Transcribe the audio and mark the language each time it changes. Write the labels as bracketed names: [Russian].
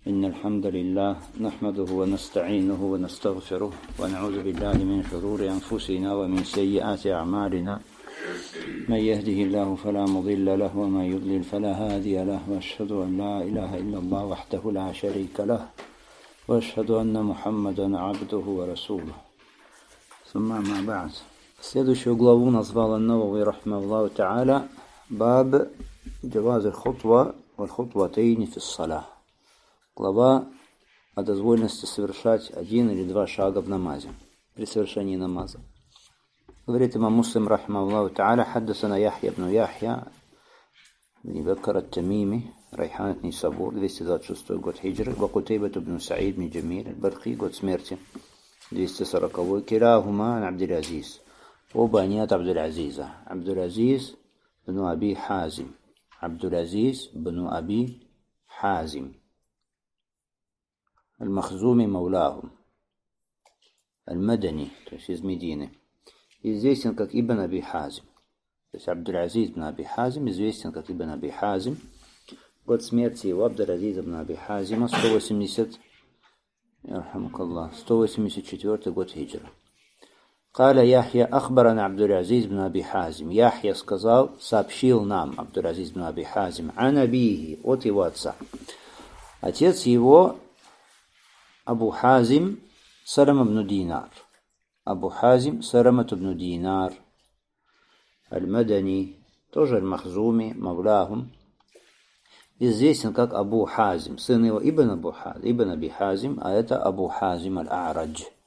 [Arabic] الحمد لله نحمده ونستعينه ونستغفره ونعوذ بالله من شرور أنفسنا ومن سيئات أعمالنا من يهده الله فلا مضل له ومن يضلل فلا هادي له وأشهد أن لا إله إلا الله وحده لا شريك له وأشهد أن محمدا عبده ورسوله ثم ما بعد [Russian] Следующую главу назвал Ан-Науви рахмаллах тааля [Arabic] باب جواز الخطوة والخطوتين في الصلاة. [Russian] Глава о дозволенности совершать один или два шага в намазе, при совершении намаза. Говорит имам Муслим, рахмаллаху тааля, хаддасана Яхья ибн Яхья, ибн Бакр ат-Тамими, Райхан ат-Нисабур, 226 год хиджры, ва Кутейба ибн Саид ибн Джамиль, аль-Бархи, год смерти, 240-й, киляхума ан Абдул-Азиз. Оба они от Абдул-Азиза. Абдул-Азиз ибн Аби Хазим. Абдул-Азиз ибн Аби Хазим. [Arabic] المخزومي مولاهم المدني [Russian] то есть из Медины известен как ибн Аби Хазим, то есть Абдул-Азиз ибн Аби Хазим известен как ибн Аби Хазим. Год смерти его Абдул-Азиз ибн Аби Хазима 184 год хиджра. [Arabic] قال يحيى اخبرنا عبد العزيز بن ابي حازم يحيى [Russian] сказал сообщил нам [Arabic] عبد العزيز بن ابي حازم عن ابيه [Russian] от его отца. Отец его Абу Хазим Салама ибн Динар. Абу Хазим Салама ибн Динар. Аль-Мадани, тоже Аль-Махзуми, Мавлахум. Известен как Абу Хазим, сын его Ибн Абу Хазим, Ибн Аби Хазим, а это Абу Хазим Аль-Аарадж.